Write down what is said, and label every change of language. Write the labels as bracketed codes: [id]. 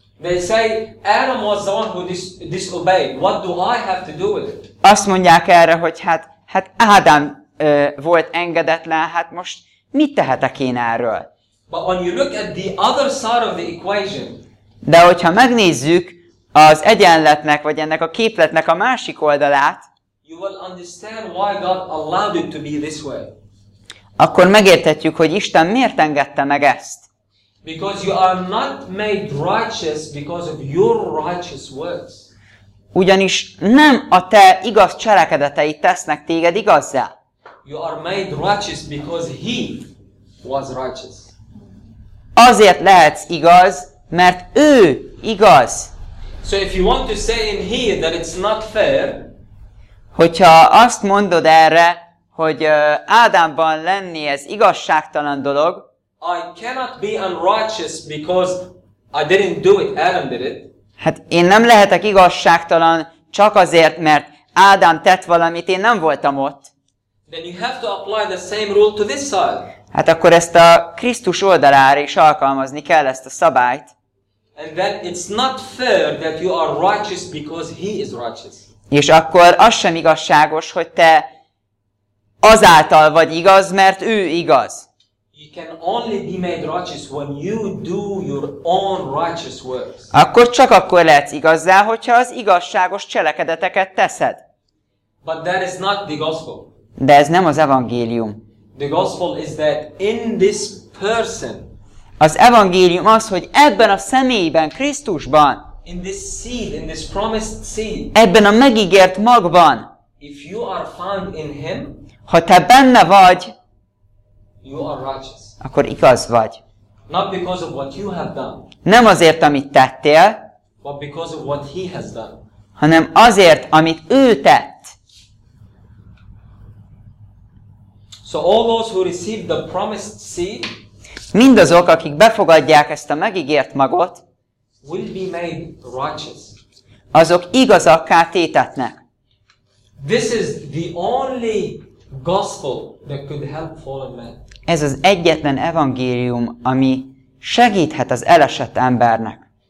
[en] They say Adam was the one who disobeyed. What do I have to do with it? [hu] Azt mondják erre, hogy hát Ádám volt engedetlen, hát most mit tehetek én erről? [en] But when you look at the other side of the equation. [hu] De hogyha megnézzük az egyenletnek vagy ennek a képletnek a másik oldalát, [en] you will understand why God allowed it to be this way. [hu] Akkor megérthetjük, hogy Isten miért engedte meg ezt. [en] Because you are not made righteous because of your righteous works. [hu] Ugyanis nem a te igaz cselekedeteid tesznek téged igazzá. [en] You are made righteous because he was righteous. [hu] Azért lehetsz igaz, mert ő igaz. [en] So if you want to say in here that it's not fair, [hu] hogyha azt mondod erre, hogy Ádámban lenni ez igazságtalan dolog, [en] I cannot be unrighteous because I didn't do it, Adam did it. [hu] Hát én nem lehetek igazságtalan csak azért, mert Ádám tett valamit, én nem voltam ott. [en] Then you have to apply the same rule to this side. [hu] Hát akkor ezt a Krisztus oldalára is alkalmazni kell ezt a szabályt. [en] And then it's not fair that you are righteous because he is righteous. [hu] És akkor az sem igazságos, hogy te azáltal vagy igaz, mert ő igaz. [en] You can only be made righteous when you do your own righteous works. [hu] Akkor csak akkor lehetsz igazzá, hogyha az igazságos cselekedeteket teszed. [en] But that is not the gospel. [hu] De ez nem az evangélium. [en] The gospel is that in this person. [hu] Az evangélium az, hogy ebben a személyben, Krisztusban, [en] in this seed, in this promised seed, [hu] ebben a megígért magban, [en] If you are found in him, [hu] ha te benne vagy, [en] you are righteous. [hu] Akkor igaz vagy. [en] Not because of what you have done, [hu] nem azért, amit tettél, [en] but because of what he has done, [hu] hanem azért, amit ő tett. [en] So all those who receive the promised seed, [hu] mindazok, akik befogadják ezt a megígért magot, [en] will be made righteous. [hu] Azok igazakká tétetnek. [en] This is the only gospel that could help fallen man. [hu] Ez az egyetlen evangélium, ami segíthet az elesett embernek.